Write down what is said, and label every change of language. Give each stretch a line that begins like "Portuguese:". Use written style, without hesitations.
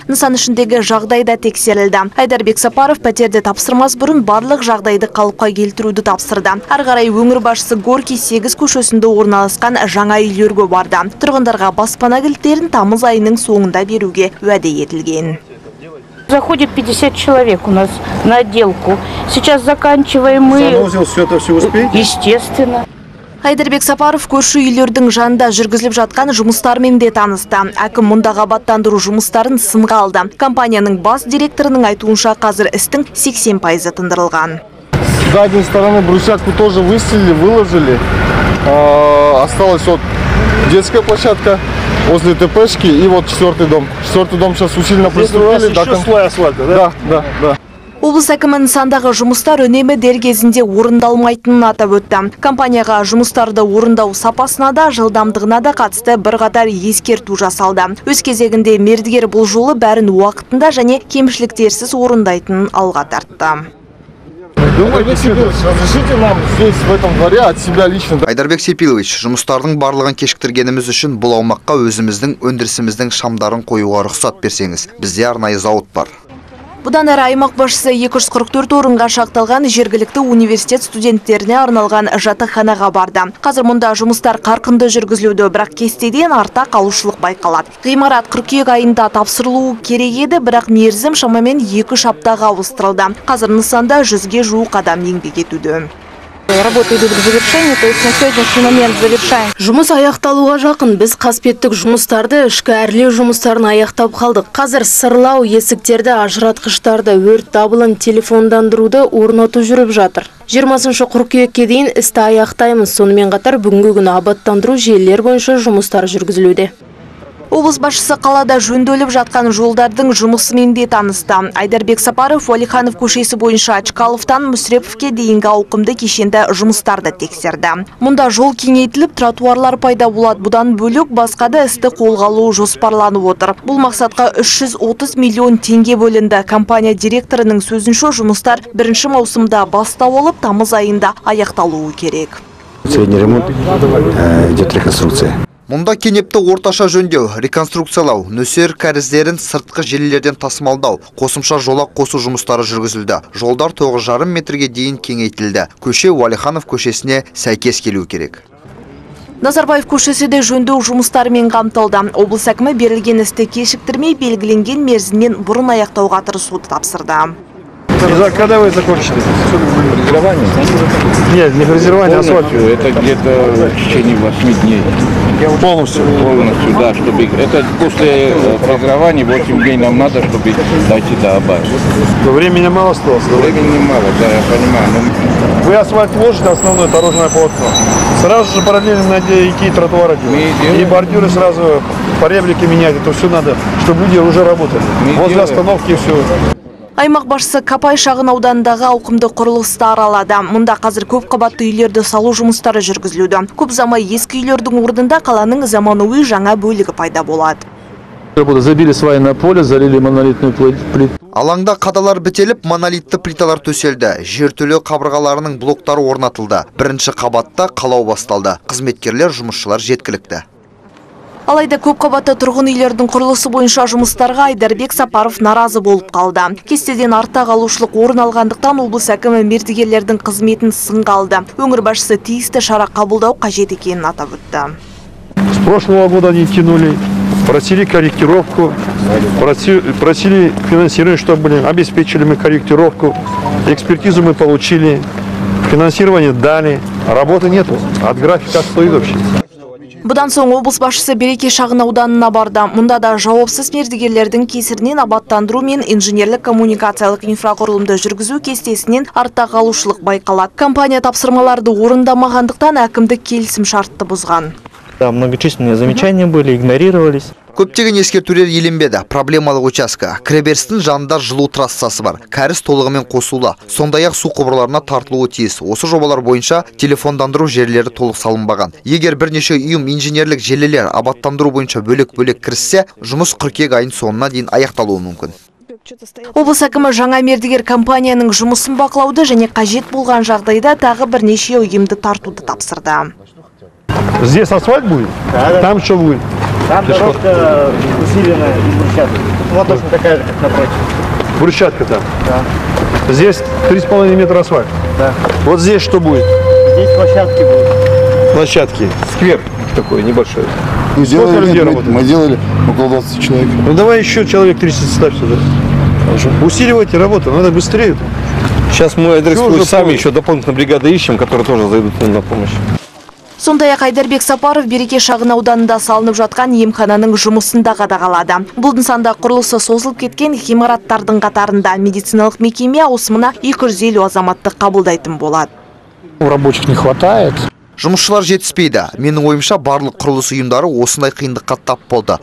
Kazakh: Нысан ішіндегі жағдай да тексерілді. Айдарбек Сапаров пәтерді тапсырмас бұрын барлық жағдайды қалыпқа келтіруді тапсырды. Ары қарай өңір басшысы Горький көшесінде орналасқан жаңа үйлерге барды. Тұрғындарға баспана кілттерін тамыз айының соңында беруге уәде етілген.
Russian: заходит 50 человек у нас на отделку. Сейчас заканчиваем мы. Санузел, все это все успеете? Естественно.
Kazakh: Айдарбек Сапаров көрші үйлердің жанында жүргізіліп жатқан жұмыстармен де танысты. Әкім мұндағы абаттандыру жұмыстарын сынға алды. Компанияның бас директорының айтуынша қазір істің 80% тындырылған.
Russian: Задний стороны брусчатку тоже выстелили, выложили. Осталась вот детская площадка возле ТПшки и вот четвертый дом. Четвертый дом сейчас усиленно пристроили. Еще слой асфальта, да? Да, да, да.
Kazakh: Облыс әкімі нысандағы жұмыстар үнемі дер кезінде орындалмайтынын атап өтті. Компанияға жұмыстарды орындау сапасына да жылдамдығына да қатысты бірқатар ескерту жасалды. Өз кезегінде мердігер бұл жолы бәрін уақытында және кемшіліктерсіз орындайтынын алға тартты. Айдарбек Сепилович, жұмыстардың барлығын кешіктіргеніміз үшін бұл аумаққа өзіміздің өндірісіміздің шамдарын қоюға рұқсат берсеңіз, бізде арнайы зауыт бар. Бұдан әрі аймақ басшысы 244 орынға шақталған жергілікті университет студенттеріне арналған жатақханаға барды. Қазір мұнда жұмыстар қарқынды жүргізілуде, бірақ кестеден арта қалушылық байқалады. Ғимарат 42 айында тапсырылуы керек еді, бірақ мерзім шамамен 2-3 аптаға ауыстырылды. Қазір нысанда 100-ге жуық адам еңбек етуде.
Russian: Работа идет к завершению, то есть на сегодняшний момент завершаем.
Kazakh: Жұмыс аяқталуға жақын, біз қаспеттік жұмыстарды, ішкі әрлеу жұмыстарын аяқтап қалдық. Қазір сырлау, есіктерді, ажыратқыштарды, өрт дабылын, телефондандыруды орнату жүріп жатыр. 20 қыркүйекке дейін істі аяқтаймыз, сонымен қатар бүгінгі күні абаттандыру желілер бойынша жұмыстар жүргізілуде. Облыс басшысы қалада жөнделіп жатқан жолдардың жұмысымен де танысты. Айдарбек Сапаров, Уәлиханов көшесі бойынша Чкаловтан Мүсіреповке дейінгі ауқымды кешенді жұмыстарды тексерді. Мұнда жол кеңейтіліп, тротуарлар пайда болады. Бұдан бөлек басқа да істі қолға алу жоспарланып отыр. Бұл мақсатқа 330 миллион теңге бөлінді. Компания директорының сөзінше жұмыстар 1 маусымда бастау алып, тамыз айында аяқталуы керек.
Russian: Средний ремонт, идет реконструкция.
Kazakh: Мұнда кенепті орташа жөндеу, реконструкциялау, нөсер кәріздерін сыртқы желілерден тасымалдау, қосымша жолақ қосу жұмыстары жүргізілді. Жолдар 9,5 метрге дейін кеңейтілді. Көше Уәлиханов көшесіне сәйкес келу керек. Назарбаев көшесі де жөндеу жұмыстарымен қамтылды. Облыс әкімі берілген істі кешіктірмей белгіленген мерзіммен бұрын аяқтауға тырысуды тапсырды.
Russian: Когда вы закончите? Фрезерование? Нет, не фрезерование, полностью. Асфальт. Это где-то в течение 8 дней. Полностью? Полностью, да. Чтобы... Это после фрезерования 8 дней нам надо, чтобы дойти до обаза. Времени мало осталось? Да? Времени мало, да, я понимаю. Но... Вы асфальт вложите, основное дорожное полотно. Сразу же параллельно найти какие тротуары делать. И бордюры сразу по реплике менять. Это все надо, чтобы люди уже работали. Мы возле делаем. Остановки все...
Kazakh: Аймақ басшысы Капай шағын ауданындағы ауқымды құрылысты аралады. Мұнда қазір көп қабатты үйлерді салу жұмыстары жүргізілуде. Көп замай ескі үйлердің орнында қаланың заманауи жаңа бөлігі пайда болады.
Russian: Забили свай на поле, залили монолитную плиту.
Kazakh: Алаңда қадалар бітеліп, монолитті плиталар төселді. Жертөле қабырғаларының блоктары орнатылды. Бірінші қабатта қалау басталды. Қызметкерлер жұмысшылар жеткілікті. Алайда көп қабатты тұрғын үйлердің құрылысы бойынша жұмыстарға Айдарбек Сапаров наразы болып қалды. Кестеден арта қалушылық орын алғандықтан облыс әкімі мердігерлердің қызметін сынға алды. Өңір басшысы тиісті шара қабылдау қажет екенін атап өтті.
Russian: С прошлого года не тянули, просили корректировку, просили финансирование, чтобы обеспечили мы корректировку, экспертизу мы получили, финансирование дали, работы нету, от графика стоит вообще.
Kazakh: Бұдан соң облыс басшысы Береке шағын ауданына барды. Мұнда да жауапсыз мердігерлердің кесірінен абаттандыру мен инженерлік коммуникациялық инфрақұрылымды жүргізу кестесінен артта қалушылық байқалады. Компания тапсырмаларды орындамағандықтан әкімдік келісім шартты бұзған.
Russian: Да, многочисленные замечания были, игнорировались.
Kazakh: Көптеген ескертулер еленбеді. Проблемалық учаске. Кіреберістің жанында жылу трассасы бар. Кәріз толығымен қосулы. Сондай-ақ су құбырларына тартылуы тиіс. Осы жобалар бойынша телефондандыру желілері толық салынбаған. Егер бірнеше ұйым инженерлік желілер абаттандыру бойынша бөлек-бөлек кіріссе, жұмыс 42 айын соңына дейін аяқталуы мүмкін. Облыс әкімі жаңа мердігер компанияның жұмысын бақылауды және қажет болған жағдайда тағы бірнеше ұйымды тартуды тапсырды.
Russian: Здесь асфальт будет? Да, там да. Что будет? Там дорожка усиленная из брусчатки. Вот точно такая же, как напротив. Брусчатка там? Да. Здесь 3,5 метра асфальт? Да. Вот здесь что будет? Здесь площадки будут. Площадки? Сквер такой небольшой. Мы делали, мы делали около 20 человек. Ну давай еще человек 30 ставь сюда. Усиливайте работу, надо быстрее. Сейчас мы адрес сами помощь. Еще дополнительно бригады ищем, которые тоже зайдут на помощь.
Kazakh: Сондай-ақ Айдарбек Сапаров береке шағын ауданында салынып жатқан емхананың жұмысын да қадағалады. Бұл нысанда құрылысы созылып кеткен ғимараттардың қатарында медициналық мекеме ауысымына 250 азаматты қабылдайтын болады.
Russian: Рабочих не хватает.
Kazakh: Жұмысшылар жетіспейді. Менің ойымша барлық құрылыс ұйымдары осындай қиындыққа тап болды.